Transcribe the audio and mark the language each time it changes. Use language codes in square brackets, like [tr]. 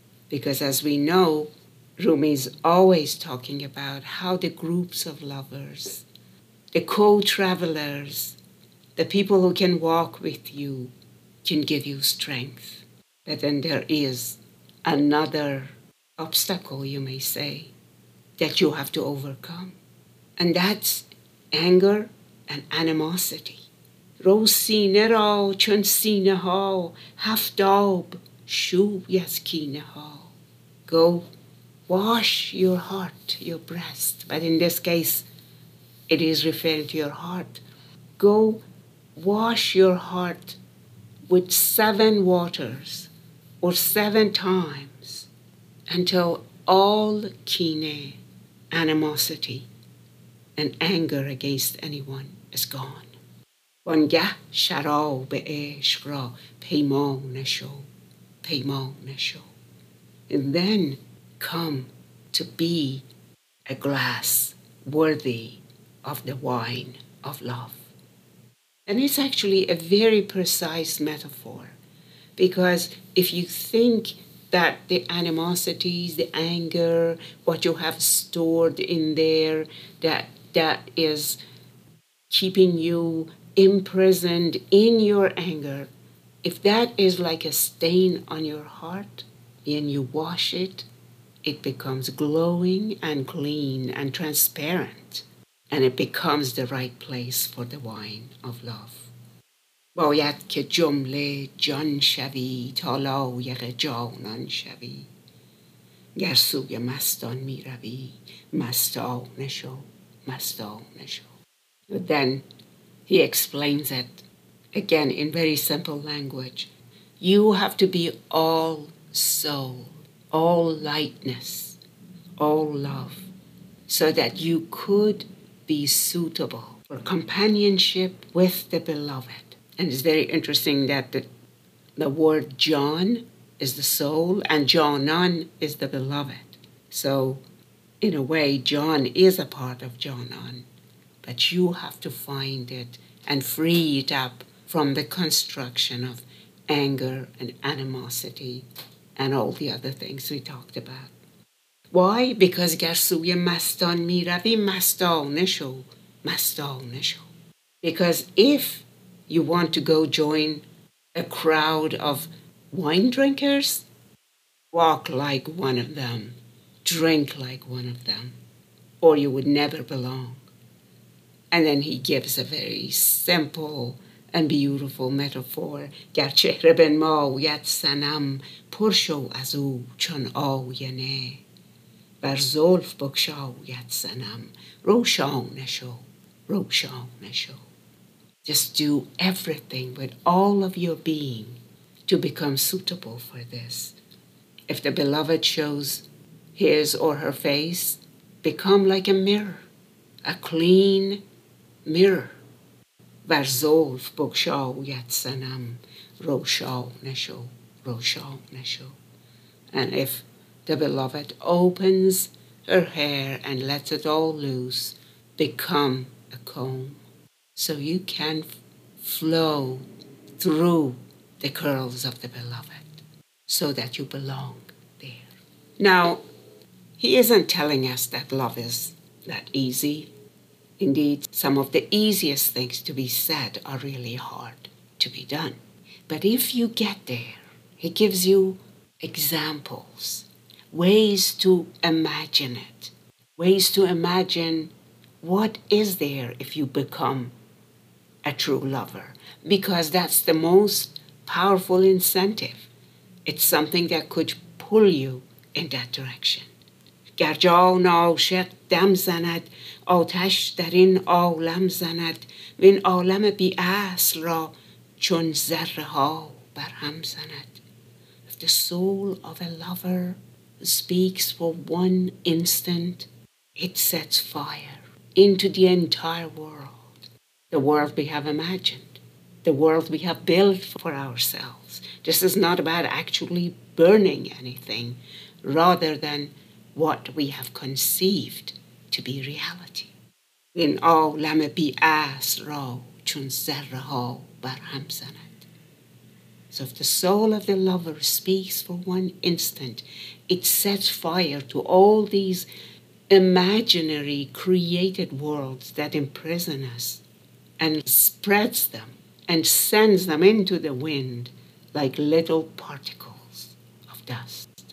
[en] Because as we know, Rumi is always talking about how the groups of lovers, the co-travelers, the people who can walk with you, can give you strength. But then there is another obstacle, you may say, that you have to overcome. And that's anger and animosity. [fa] رو سینه را چون سینه ها هفت آب شوی از کینه ها. [en] Go wash your heart, your breast. But in this case, it is referring to your heart. Go wash your heart with seven waters or seven times until all kine, animosity, and anger against anyone is gone. [fa] وانگه شراب عشق را پیمانه شو پیمانه شو. [en] And then come to be a glass worthy of the wine of love. And it's actually a very precise metaphor, because if you think that the animosities, the anger, what you have stored in there, that is keeping you imprisoned in your anger, if that is like a stain on your heart, and you wash it, it becomes glowing and clean and transparent, and it becomes the right place for the wine of love. [fa] باید که جمله جان شوی تا لایق جانان شوی. گر سوی مستان می روی مستانه شو مستانه شو. [en] Then he explains it again in very simple language. You have to be all soul, all lightness, all love, so that you could be suitable for companionship with the beloved. And it's very interesting that the word John is the soul and Jonan is the beloved. So in a way, John is a part of Jonan, but you have to find it and free it up from the construction of anger and animosity and all the other things we talked about. Why? Because [fa] گرسوی مستان می روی مستانه شو. مستانه شو. [en] Because if you want to go join a crowd of wine drinkers, walk like one of them, drink like one of them, or you would never belong. And then he gives a very simple and beautiful metaphor. [fa] گر چهره بنماید صنم پر شو از او چون آینه بر زلف بگشاید صنم روشانه شو روشانه شو. [en] Just do everything with all of your being to become suitable for this. If the beloved shows his or her face, become like a mirror, a clean mirror. [fa] بر زلف بگشاید صنم روشانه شو روشانه شو. [en] And if the beloved opens her hair and lets it all loose, become a comb. So you can flow through the curls of the beloved so that you belong there. Now, he isn't telling us that love is that easy. Indeed, some of the easiest things to be said are really hard to be done. But if you get there, he gives you examples, ways to imagine it, ways to imagine what is there if you become a true lover, because that's the most powerful incentive. It's something that could pull you in that direction. [fa] گر جان عاشق دم زند آتش در این عالم زند وین عالم بی اصل را چون ذره ها بر هم زند. [en] If the soul of a lover speaks for one instant, it sets fire into the entire world. The world we have imagined, the world we have built for ourselves. This is not about actually burning anything, rather than what we have conceived to be reality. In [fa] عالم بی اصل را چون ذره ها بر هم زند. [en] So if the soul of the lover speaks for one instant, it sets fire to all these imaginary created worlds that imprison us, and spreads them and sends them into the wind like little particles of dust.